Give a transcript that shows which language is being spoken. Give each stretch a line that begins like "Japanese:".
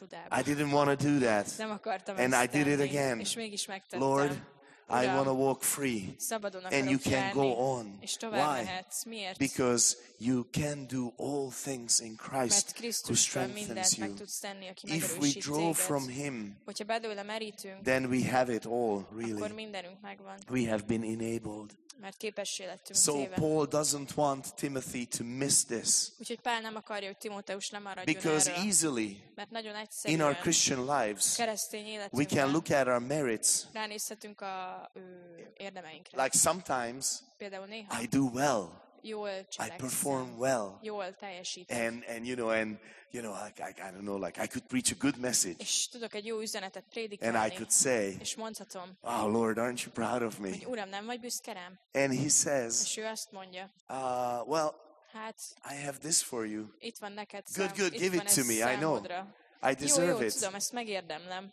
English: I didn't want to do that.
Hungarian: Nem akartam
English: and I did it again.
Hungarian: És mégis megtettem.
English: Lord, I want to walk free.
Hungarian: Szabadon
English: and you can
Hungarian: járni,
English: go on.
Hungarian: És tovább
English: why?
Hungarian: Mehetsz. Miért?
English: Because you can do all things in Christ
Hungarian: mert
English: who strengthens you.
Hungarian: Meg tudsz tenni, aki
English: if we draw
Hungarian: téged,
English: from him,
Hungarian: hogyha belőle merítünk,
English: then we have it all, really.
Hungarian: Akkor mindenünk megvan.
English: We have been enabled.
Hungarian: Mert képessé lettünk
English: so
Hungarian: téve.
English: Paul doesn't want Timothy to miss this.
Hungarian: Úgyhogy Pál nem akarja, hogy Timóteus nem maradjon
English: because
Hungarian: erről.
English: Easily
Hungarian: mert nagyon egyszerűen
English: in our Christian lives
Hungarian: keresztény életünkben
English: we can look at our merits
Hungarian: ránézhetünk a érdemeinkre.
English: Like sometimes
Hungarian: például néha
English: I do well.
Hungarian: Jól cselekszem.
English: I perform well.
Hungarian: Jól teljesítek.
English: And you know and you know I don't know like I could preach a good message.
Hungarian: És tudok egy jó üzenetet prédikálni.
English: And I could say.
Hungarian: És mondhatom.
English: Oh Lord, aren't you proud of me?
Hungarian: Hogy Uram, nem vagy büszke rám?
English: And he says.
Hungarian: És ő azt mondja.
English: Well.
Hungarian: Hát.
English: I have this for you.
Hungarian: Itt van neked.
English: Good. Give it to me.
Hungarian: Számodra.
English: I know. I deserve it.
Hungarian: Jó, tudom, ezt megérdemlem.